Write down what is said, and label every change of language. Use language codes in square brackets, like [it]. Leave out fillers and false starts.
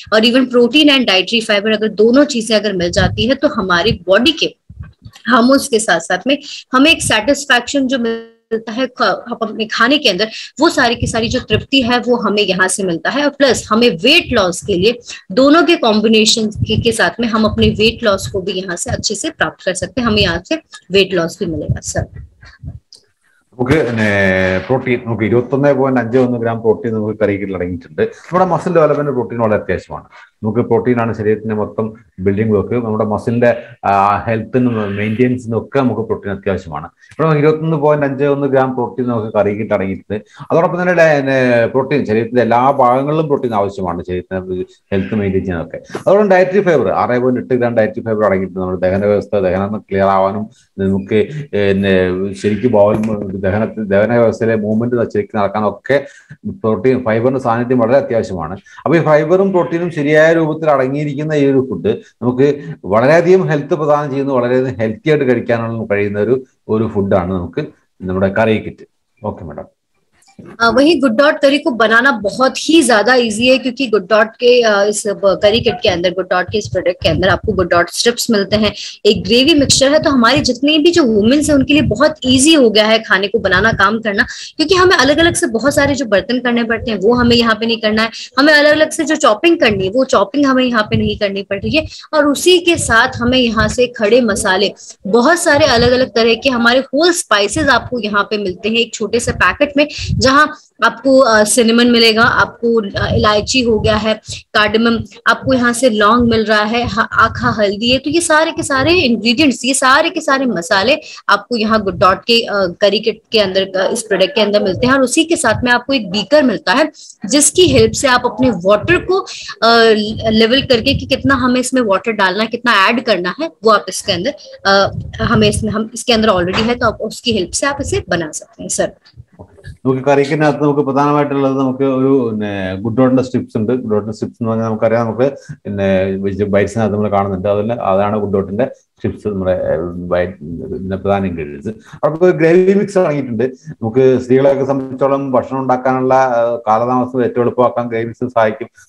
[hi] और even protein and dietary fibre अगर दोनों चीजें अगर मिल जाती है तो हमारी बॉडी के हार्मोन्स के साथ साथ में हमें एक सेटिस्फैक्शन जो मिलता है अपने खाने के अंदर, वो सारी की सारी जो तृप्ति है वो हमें यहाँ से मिलता है। और प्लस हमें वेट लॉस के लिए दोनों के कॉम्बिनेशन के साथ में हम अपने वेट लॉस को भी यहाँ से अच्छे से प्राप्त कर सकते हैं, हमें यहाँ से वेट लॉस भी मिलेगा सर। [ml] നമുക്ക് പ്രോട്ടീൻ നമുക്ക് 21.51 ഗ്രാം പ്രോട്ടീൻ നമുക്ക് കറിയിൽ അടങ്ങിയിട്ടുണ്ട്. നമ്മുടെ മസിൽ ഡെവലപ്മെന്റ് പ്രോട്ടീൻ വളരെ അത്യാവശ്യമാണ്. നമുക്ക് പ്രോട്ടീനാണ് ശരീരത്തിന്റെ മൊത്തം ബിൽഡിംഗ് വർക്ക്, നമ്മുടെ മസിലിന്റെ ഹെൽത്തിനും മെയിൻറ്റെനൻസിനും ഒക്കെ നമുക്ക് പ്രോട്ടീൻ അത്യാവശ്യമാണ്. ഇപ്പോൾ 21.51 ഗ്രാം പ്രോട്ടീൻ നമുക്ക് കറിയിൽ അടങ്ങിയിട്ടുണ്ട്. അതോടൊപ്പം തന്നെ പ്രോട്ടീൻ ശരീരത്തിന്റെ എല്ലാ ഭാഗങ്ങളിലും പ്രോട്ടീൻ ആവശ്യമാണ് ശരീരത്തിന് ഹെൽത്ത് മെയിൻറ്റെയിൻ ചെയ്യാനൊക്കെ. അതുകൊണ്ട് dietary fibre 6.8 gram dietary fibre അടങ്ങിയിട്ടുണ്ട്. നമ്മുടെ ദഹന വ്യവസ്ഥ ദഹനം ക്ലിയർ ആവാനും നമുക്ക് ശരിക്കും ദഹന വ്യവസ്ഥയിലെ മൂവ്മെന്റ് ശരിക്കും നടക്കാനും ഒക്കെ പ്രോട്ടീൻ ഫൈബറിന്റെ സാന്നിധ്യം വളരെ അത്യാവശ്യമാണ്. അപ്പോൾ ഈ ഫൈബറും പ്രോട്ടീനും ശരിയായ രൂപത്തിൽ അടങ്ങിയിരിക്കുന്ന ഈ ഒരു ഫുഡ് നമുക്ക് വളരെയധികം ഹെൽത്ത് പ്രദാനം ചെയ്യുന്നു, വളരെയധികം ഹെൽത്തി ആയിട്ട് കഴിക്കാനുള്ള കഴിയുന്ന ഒരു ഫുഡാണ് നമുക്ക് നമ്മുടെ കറി കിറ്റ്. Okay madam. [hi] वही गुड डॉट करी को बनाना बहुत ही ज्यादा इजी है, क्योंकि गुड डॉट के इस करी किट के अंदर, गुड डॉट के इस प्रोडक्ट के अंदर आपको गुड डॉट स्ट्रिप्स मिलते हैं, एक ग्रेवी मिक्सचर है, तो हमारे जितने भी जो वुमेन्स हैं उनके लिए बहुत इजी हो गया है खाने को बनाना, काम करना, क्योंकि हमें अलग अलग से बहुत सारे जो बर्तन करने पड़ते हैं वो हमें यहाँ पे नहीं करना है, हमें अलग अलग से जो चॉपिंग करनी है वो चॉपिंग हमें यहाँ पे नहीं करनी पड़ रही है, और उसी के साथ हमें यहाँ से खड़े मसाले बहुत सारे अलग अलग तरह के हमारे होल स्पाइसेस आपको यहाँ पे मिलते हैं एक छोटे से पैकेट में, जहाँ आपको सिनेमन मिलेगा, आपको इलायची हो गया है, कार्डमम, आपको यहाँ से लौंग मिल रहा है, आखा हल्दी है, तो ये सारे के सारे इंग्रेडिएंट्स, ये सारे के सारे मसाले आपको यहाँ गुड डॉट के करी किट के अंदर, इस प्रोडक्ट के अंदर मिलते हैं, और उसी के साथ में आपको एक बीकर मिलता है जिसकी हेल्प से आप अपने वाटर को लेवल करके कि कितना हमें इसमें वाटर डालना है, कितना ऐड करना है, वो आप इसके अंदर हमें इसमें हम इसके अंदर ऑलरेडी है, तो आप उसकी हेल्प से आप इसे बना सकते हैं सर. [ml] നമുക്ക് കറിക്കിനകത്ത് നമുക്ക് പ്രധാനമായിട്ടുള്ളത് നമുക്ക് ഒരു ഗുഡ് ഡോട്ടിന്റെ സ്ട്രിപ്സ് ഉണ്ട്. ഗുഡ് ഡോട്ടിന്റെ സ്ട്രിപ്സ് എന്ന് പറഞ്ഞാൽ നമുക്കറിയാം, നമുക്ക് ബൈറ്റ്സിനകത്ത് നമ്മൾ കാണുന്നുണ്ട്, അതാണ് ഗുഡ് ഡോട്ടിന്റെ സ്ട്രിപ്സ്, നമ്മുടെ പ്രധാന ഇൻഗ്രീഡിയൻസ്. അപ്പോൾ ഗ്രേവി മിക്സ് ഇറങ്ങിയിട്ടുണ്ട്. നമുക്ക് സ്ത്രീകളെയൊക്കെ സംബന്ധിച്ചോളം ഭക്ഷണം ഉണ്ടാക്കാനുള്ള കാലതാമസം ഏറ്റവും എളുപ്പമാക്കാൻ ഗ്രേവി മിക്സ് സഹായിക്കും.